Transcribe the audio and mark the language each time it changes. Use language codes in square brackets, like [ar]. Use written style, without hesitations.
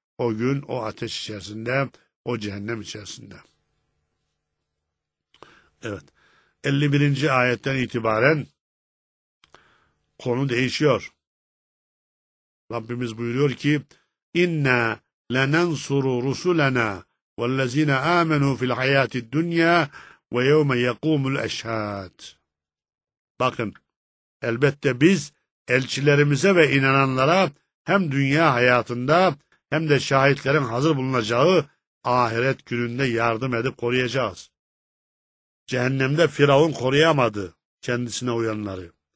[tr] O gün o ateş içerisinde, o cehennem içerisinde. Evet. 51. ayetten itibaren konu değişiyor. Rabbimiz buyuruyor ki, [ar] اِنَّا لَنَنْصُرُ رُسُلَنَا والذين آمنوا في الحياة الدنيا ويوم يقوم الأشهاد. [tr] Bakın, elbette biz elçilerimize ve inananlara hem dünya hayatında hem de şahitlerin hazır bulunacağı ahiret gününde yardım edip koruyacağız. Cehennemde Firavun koruyamadı kendisine uyanları.